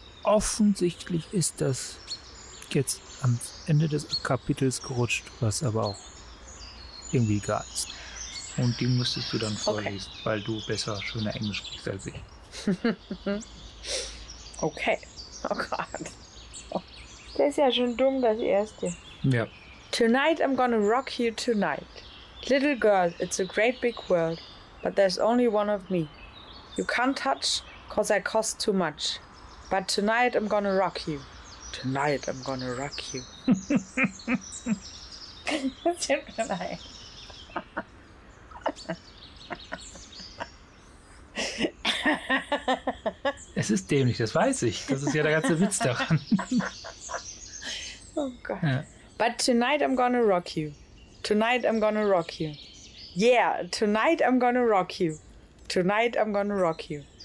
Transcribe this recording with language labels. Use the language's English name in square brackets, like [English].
[German] Offensichtlich ist das jetzt am Ende des Kapitels gerutscht, was aber auch irgendwie egal ist. Und die müsstest du dann vorlesen, okay. Weil du besser schöner Englisch sprichst als ich. Okay. Oh Gott. Das ist ja schon dumm, das Erste. Ja. [English] Tonight I'm gonna rock you tonight. Little girl, it's a great big world, but there's only one of me. You can't touch, cause I cost too much. But tonight I'm gonna rock you. Tonight I'm gonna rock you. [German] Das ist ja nein. Es ist dämlich, das weiß ich. Das ist ja der ganze Witz daran. Oh Gott. Ja. [English] But tonight I'm gonna rock you. Tonight I'm gonna rock you. Yeah, tonight I'm gonna rock you. Tonight I'm gonna rock you.